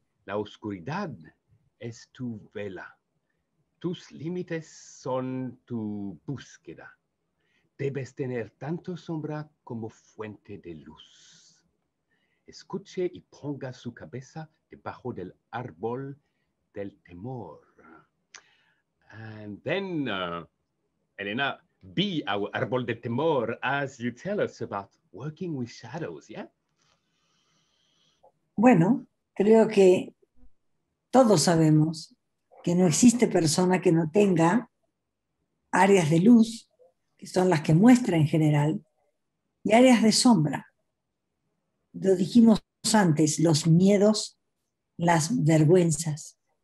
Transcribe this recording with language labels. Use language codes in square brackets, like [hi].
[es] La oscuridad es tu vela. Tus límites son tu búsqueda. Debes tener tanto sombra como fuente de luz. Escuche y ponga su cabeza debajo del árbol del temor. [en] And then, Elena, be our [es] árbol del temor [en] as you tell us about working with shadows, yeah? [es] Bueno, creo que todos sabemos que no existe persona que no tenga áreas de luz, que son las que muestra en general, y áreas de sombra. Lo dijimos antes, los miedos, las vergüenzas.